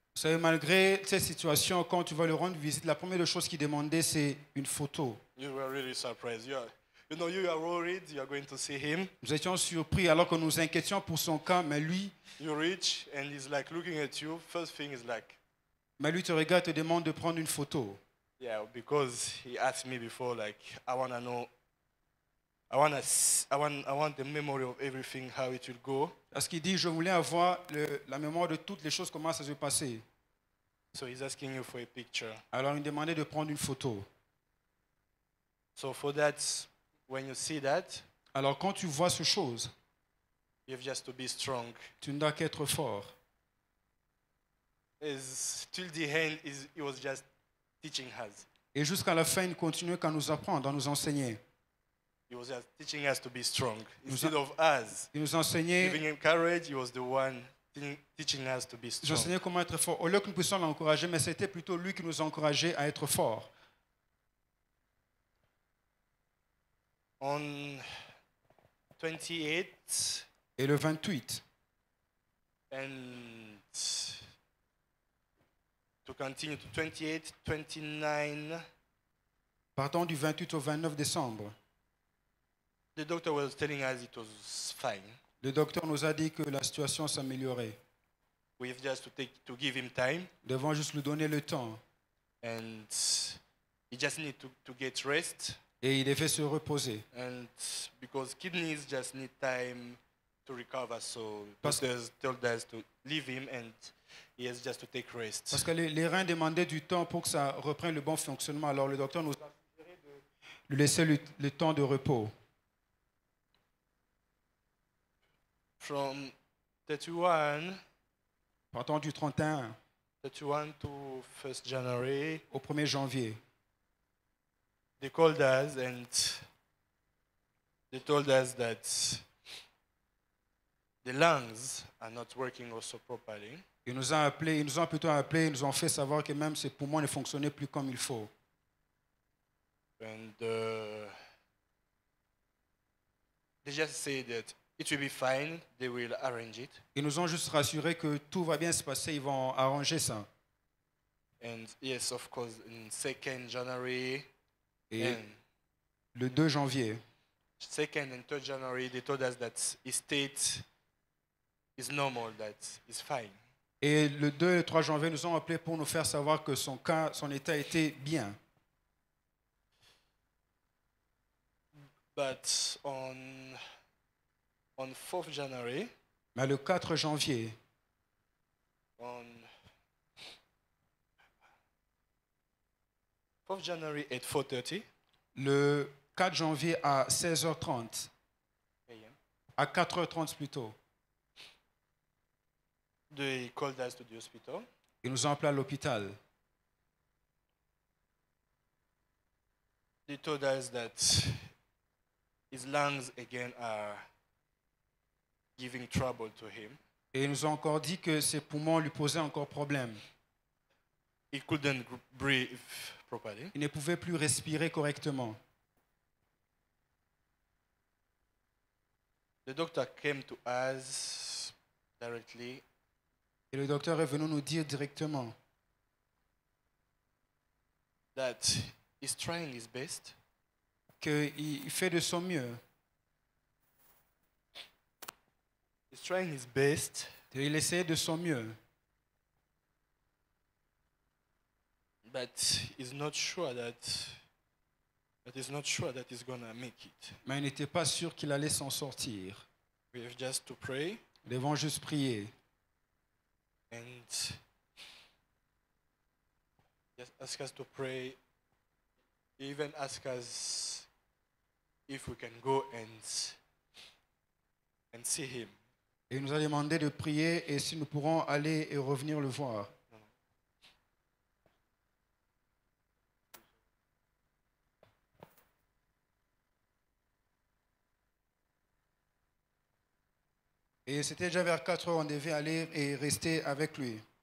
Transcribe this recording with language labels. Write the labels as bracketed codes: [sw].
[fr] Vous savez, malgré cette situation, quand tu vas le rendre visite, la première chose qu'il demandait, c'est une photo. [en] You were really surprised. You are worried. You are going to see him. [fr] Nous étions surpris alors que nous inquiétions pour son cas, mais lui. [en] You reach and he's like looking at you. First thing is like. [fr] Mais lui te regarde, te demande de prendre une photo. [en] Yeah, because he asked me before, like I want the memory of everything, how it will go. [fr] Parce qu'il dit, je voulais avoir la mémoire de toutes les choses, comment ça se passait. [en] So he's asking you for a picture. [fr] Alors il demandait de prendre une photo. [en] So for that, when you see that. [fr] Alors quand tu vois ce chose. [en] You have just to be strong. [fr] Tu n'as qu'être fort. [en] As till the end, he was just teaching us. [fr] Et jusqu'à la fin, il continuait à nous apprendre, à nous enseigner. [en] He was just teaching us to be strong instead of us. [fr] Il nous enseignait. [en] Giving him courage, he was the one teaching us to be strong. [fr] J'enseignais comment être fort. Au lieu que nous puissions l'encourager, mais c'était plutôt lui qui nous encourageait à être fort. [en] On 28. [fr] Et le 28. [en] And to continue to 28, 29. [fr] Partant du 28 au 29 décembre. [en] The doctor was telling us it was fine. [fr] Le docteur nous a dit que la situation s'améliorait. [en] We have just to give him time. [fr] Nous devons juste lui donner le temps. [en] And he just need to get rest. [fr] Et il devait se reposer. [en] And because kidneys just need time to recover, so doctors told us to leave him and he has just to take rest. [fr] Parce que les reins demandaient du temps pour que ça reprenne le bon fonctionnement. Alors le docteur nous a suggéré de lui laisser le temps de repos. [en] From 31, [fr] partant du 31, [en] 31 to 1st January, [fr] au 1er janvier, [en] they called us and they told us that the lungs are not working also properly. [fr] Ils nous ont appelé, ils nous ont fait savoir que même ses poumons ne fonctionnaient plus comme il faut. [en] And they just said that. It will be fine. They will arrange it. [fr] Ils nous ont juste rassuré que tout va bien se passer. Ils vont arranger ça. [en] And yes, of course, in 2nd January. [fr] Et le 2 janvier. [en] second and third January, they told us that his state is normal, that it's fine. [fr] Et le 2 et 3 janvier, nous ont appelé pour nous faire savoir que son cas, son état était bien. [en] But on 4th January, [fr] mais le 4 janvier, [en] on 4th January at 4:30, [fr] le 4 janvier à 16h30, [en] AM. [fr] À 4h30 plutôt, [en] they called us to the hospital. [fr] Ils nous ont appelé à l'hôpital. [en] They told us that his lungs again are giving trouble to him. [fr] Et ils nous ont encore dit que ses poumons lui posaient encore problème. [en] He couldn't breathe properly. [fr] Il ne pouvait plus respirer correctement. [en] The doctor came to us directly. [fr] Et le docteur est venu nous dire directement [en] that he's trying his best, [fr] qu'il fait de son mieux. [en] He's trying his best. [fr] Il essaie de son mieux. [en] But he's not sure that. But he's not sure that he's gonna make it. [fr] Mais il n'était pas sûr qu'il allait s'en sortir. [en] We have just to pray. [fr] Nous devons juste prier. [en] And just ask us to pray. Even ask us if we can go and see him. [fr] Et il nous a demandé de prier et si nous pourrons aller et revenir le voir. Et c'était déjà vers 4 heures, on devait aller et rester avec lui.